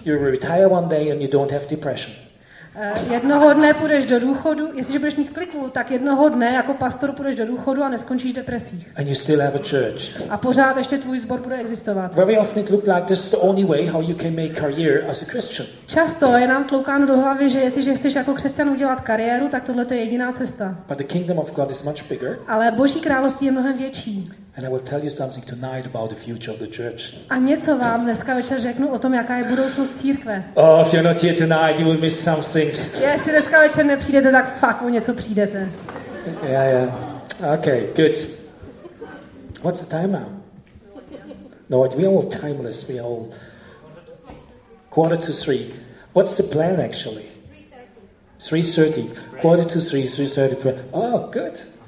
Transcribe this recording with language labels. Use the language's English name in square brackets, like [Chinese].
[English] you retire one day and you don't have depression. [Czech] Jednoho dne půjdeš do důchodu, jestliže budeš mít kliku, tak jednoho dne jako pastor půjdeš do důchodu a neskončíš depresích. [English] And you still have a church. [Czech] A pořád ještě tvůj sbor bude existovat. [English] Very often it looked like this is the only way how you can make career as a Christian. [Czech] Často je nám tloukáno do hlavy, že jestliže chceš jako křesťan udělat kariéru, tak tohle to je jediná cesta. [English] But the kingdom of God is much bigger. [Czech] Ale Boží království je mnohem větší. [English] And I will tell you something tonight about the future of the church. [Czech] A něco vám dneska večer řeknu o tom, jaká je budoucnost církve. [English] Oh, if you're not here tonight, you will miss something. [Czech] Jestli dneska večer nepřijdete, tak fakt o něco přijdete. [English] Yeah, yeah. Okay, good. What's the time now? No, we're all timeless. We all 2:45. What's the plan actually? 3:30. 2:45. 3:30. Oh, good.